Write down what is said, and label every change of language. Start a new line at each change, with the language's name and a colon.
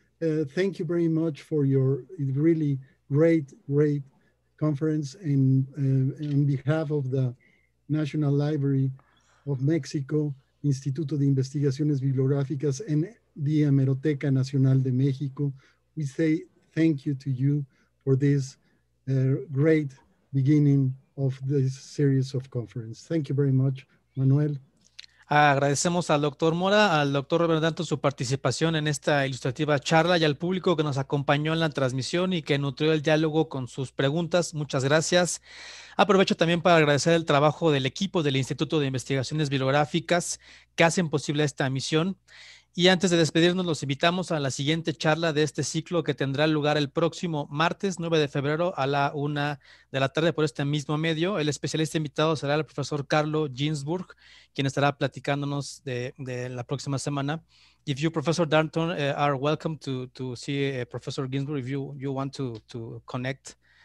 English: Thank you very much for your really great conference, and on behalf of the National Library of Mexico, Instituto de Investigaciones Bibliográficas, and the Hemeroteca Nacional de México, we say thank you to you for this great beginning of this series of conference. Thank you very much, Manuel.
Spanish: Agradecemos al doctor Mora, al doctor Robert Darnton su participación en esta ilustrativa charla y al público que nos acompañó en la transmisión y que nutrió el diálogo con sus preguntas. Muchas gracias. Aprovecho también para agradecer el trabajo del equipo del Instituto de Investigaciones Bibliográficas que hacen posible esta misión. Y antes de despedirnos, los invitamos a la siguiente charla de este ciclo que tendrá lugar el próximo martes 9 de febrero a la 1:00 p.m. por este mismo medio. El especialista invitado será el profesor Carlos Ginsburg, quien estará platicándonos de la próxima semana.
English: If you, Professor Darnton, are welcome to see Professor Ginsburg if you want to connect